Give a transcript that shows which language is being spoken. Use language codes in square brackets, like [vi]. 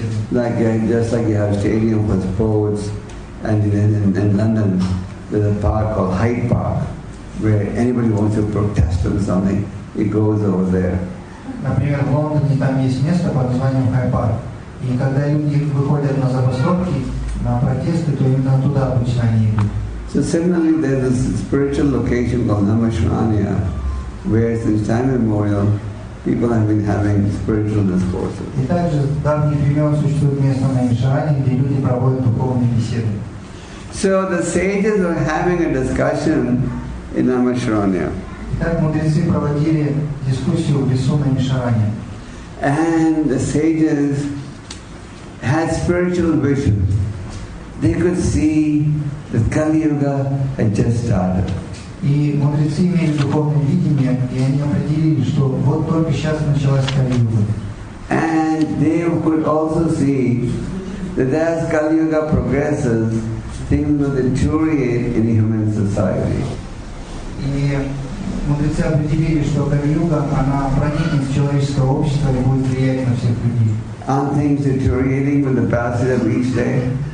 [en] Like just like you have stadium with poets, and in London there's a park called Hyde Park, where anybody wants to protest on something, it goes over there. [ru] Например, в Лондоне там есть место под названием Хайд Парк, и когда люди выходят на забастовки, на протесты, то именно туда обычно они идут. [en] So similarly, there's a spiritual location called Namasharanya, where since time immemorial, people have been having spiritual discourses. [ru] И также в давние времена существует место Намишаране, где люди проводят духовные беседы. [en] So the sages were having a discussion in Namasharanya. [ru] Итак, мудрецы проводили дискуссию в лесу Намишаране. [en] And the sages had spiritual vision. They could see that Kali Yuga had just started. [ru] И мудрецы имели духовное видение, и они определили, что вот только сейчас началась Кали Юга. [en] And they could also see that as Kali Yuga progresses, things will deteriorate in human society. [ru] И мудрецы определили, что Кали Юга, она проникнет в человеческое общество и будет влиять на всех людей. [en] Aren't things deteriorating with the passage of each day?